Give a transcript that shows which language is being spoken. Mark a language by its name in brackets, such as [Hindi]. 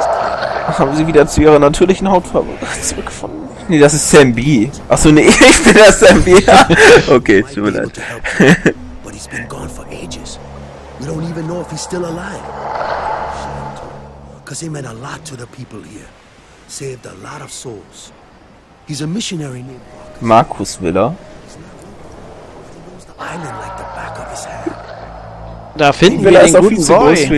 [German] Haben Sie wieder zu Ihrer natürlichen Hautfarbe zurückgefunden? Nee, das ist Sam B. Achso, nee, ich bin der Sam B. Okay, tut mir leid. [English] But he's been gone for ages. We don't even know if he's still alive. Because he meant a lot to the people here. Saved a lot of souls. He's a missionary named Markus Willer. Island like the back of his hand. [German] Da finden wir einen guten Boy.